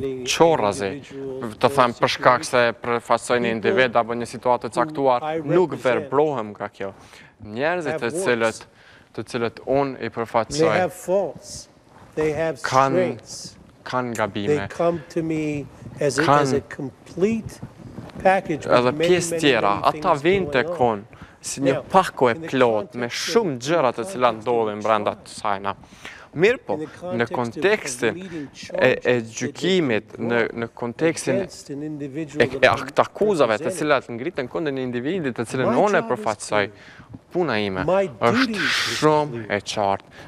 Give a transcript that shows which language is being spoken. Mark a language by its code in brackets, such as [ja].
[sq] Çorrazi, të them për shkak se përfaqësoj një individ apo një situatë të caktuar, nuk verbrohem nga kjo. Njerëzit të cilët unë I përfaqësoj. [en] They have strengths. [sq] Kan gabime. [en] They come to me as a complete package. [sq] Edhe pjesë tjera, ata vijnë tek unë si një pako e plot me shumë gjëra të cilat ndodhin brenda të saj. Mirë po, në kontekstin e gjykimit, në kontekstin e akuzave të cilat ngriten kundër një individi të cilin unë e përfaqësoj, puna ime është shumë e qartë.